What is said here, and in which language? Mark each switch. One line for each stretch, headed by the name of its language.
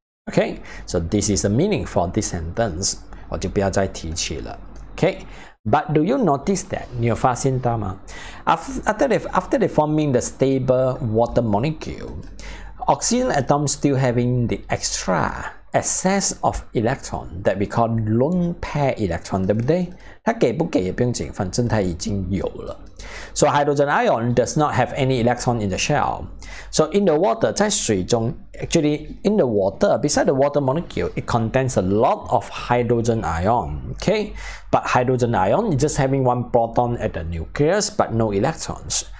English: Okay, so this is the meaning for this sentence.
Chinese: 我就不要再提起了。
English: Okay, but do you notice that?
Chinese: 你有发现到吗？
English: After they forming the stable water molecule, oxygen atom still having the extra. Excess of electron that we call lone pair electron,
Chinese: 对不对？它给不给也不用紧，反正它已经有了。
English: So hydrogen ion does not have any electron in the shell. So in the water,
Chinese: 在水中
English: actually in the water, beside the water molecule, it contains a lot of hydrogen ion. Okay, but hydrogen ion is just having one proton at the nucleus, but no electrons.